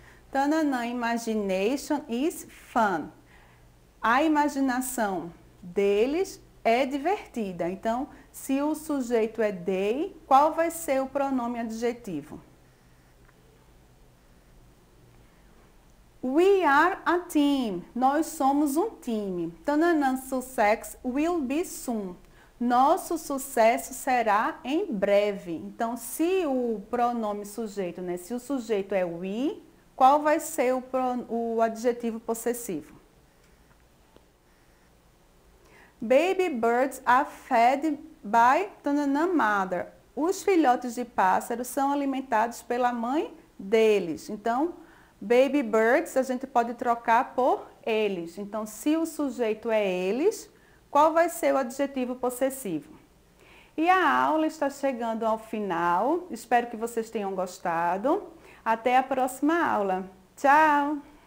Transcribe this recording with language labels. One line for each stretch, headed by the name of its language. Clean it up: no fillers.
English: Tanana, imagination is fun.
Portuguese: A imaginação deles é divertida. Então, se o sujeito é they, qual vai ser o pronome adjetivo?
English: We are a team.
Portuguese: Nós somos um time.
English: Tananã, success will be soon.
Portuguese: Nosso sucesso será em breve. Então, se o pronome sujeito, né? Se o sujeito é we, qual vai ser o adjetivo possessivo?
English: Baby birds are fed by Tananã mother.
Portuguese: Os filhotes de pássaros são alimentados pela mãe deles. Então,
English: baby birds,
Portuguese: a gente pode trocar por eles. Então, se o sujeito é eles, qual vai ser o adjetivo possessivo? E a aula está chegando ao final. Espero que vocês tenham gostado. Até a próxima aula. Tchau!